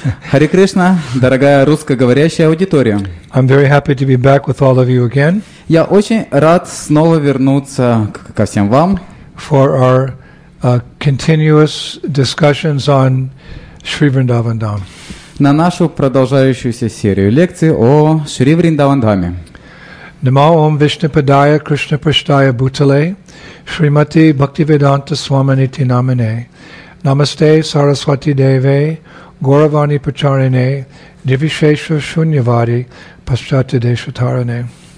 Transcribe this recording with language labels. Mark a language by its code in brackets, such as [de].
[ru] Hare Кришна, дорогая русскоговорящая аудитория. [en] I'm very happy to be back with all of you again. [ru] Я очень рад снова вернуться ко всем вам. [en] For our continuous discussions on Sri Vrindavan Dham. [ru] На нашу продолжающуюся серию лекций о Шри Вриндаван Дхаме. [sa] Namo Om Vishnupadaya Krishna Prashtaya Bhutale Shrimati Bhaktivedanta Swaminiti Namine Namaste Saraswati Deve Gauravani Pracharine Nirvishesha Shunyavadi Paschata Deshatarane.